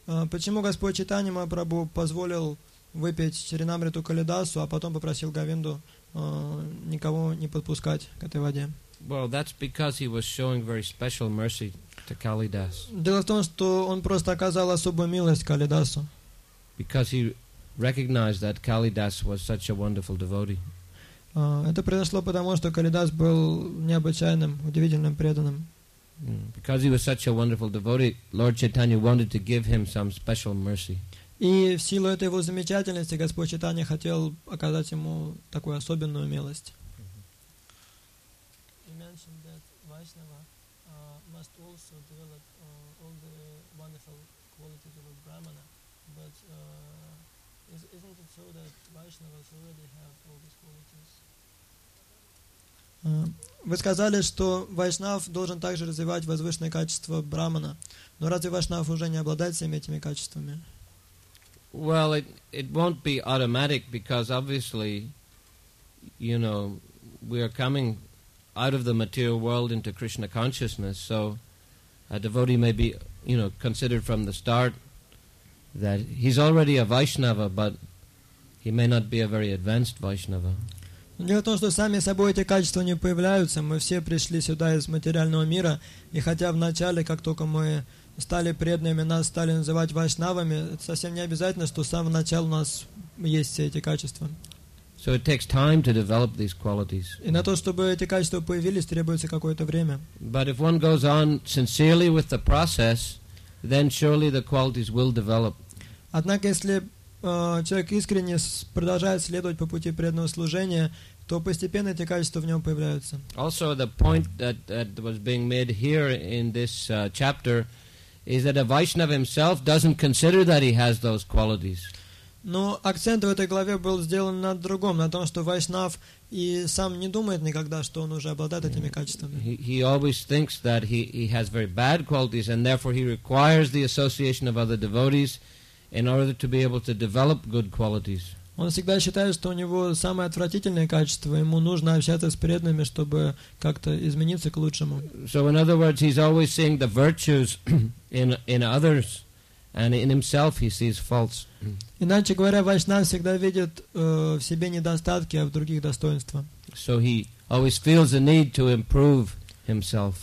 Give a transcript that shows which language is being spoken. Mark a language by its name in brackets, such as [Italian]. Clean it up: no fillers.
[Russian] Почему Господь Чайтанья Махапрабху позволил выпить Чринамриту Калидасу, а потом попросил Говинду никого не подпускать к этой воде? [English] Well, that's because he was showing very special mercy to Kalidas. [Russian] Дело в том, что он просто оказал особую милость Калидасу. [English] Because he recognized that Kalidas was such a wonderful devotee. [Russian] Это произошло потому, что Калидас был необычайным, удивительным преданным. [English] Because he was such a wonderful devotee, Lord Chaitanya wanted to give him some special mercy. [Russian] И в силу этой его замечательности Господь Чайтанья хотел оказать ему такую особенную милость. [English] You mentioned that Vaishnava must also develop all the wonderful qualities of a Brahmana, but isn't it so that Vaishnavas already have all these qualities? [Russian] Вы сказали, что вайшнав должен также развивать возвышенные качества брахмана. Но разве вайшнав уже не обладает всеми этими качествами? [English] Well, it won't be automatic because obviously, you know, we are coming out of the material world into Krishna consciousness. So a devotee may be, you know, considered from the start that he's already a Vaishnava, but he may not be a very advanced Vaishnava. [Russian] Дело в том, что сами собой эти качества не появляются. Мы все пришли сюда из материального мира, и хотя вначале, как только мы стали преданными, нас стали называть вайшнавами, это совсем не обязательно, что с самого начала у нас есть все эти качества. [English] So it takes time to develop these qualities. [Russian] И на то, чтобы эти качества появились, требуется какое-то время. [English] But if one goes on sincerely with the process, then surely the qualities will develop. [Russian] Однако, если человек искренне продолжает следовать по пути преданного служения, то постепенно эти качества в нем появляются. [English] Also, the point that was being made here in this chapter is that a Vaishnava himself doesn't consider that he has those qualities. [Russian] Но акцент в этой главе был сделан на другом, на том, что Вайшнав и сам не думает никогда, что он уже обладает этими качествами. [English] He always thinks that he has very bad qualities, and therefore he requires the association of other devotees in order to be able to develop good qualities. [Russian] Он всегда считает, что у него самое отвратительное качество, ему нужно общаться с преданными, чтобы как-то измениться к лучшему. [English] So in other words, he's always seeing the virtues in others And in himself he sees faults. [Russian] Иначе говоря, вайшнав всегда видит в себе недостатки, а в других достоинства. [English] So he always feels the need to improve himself.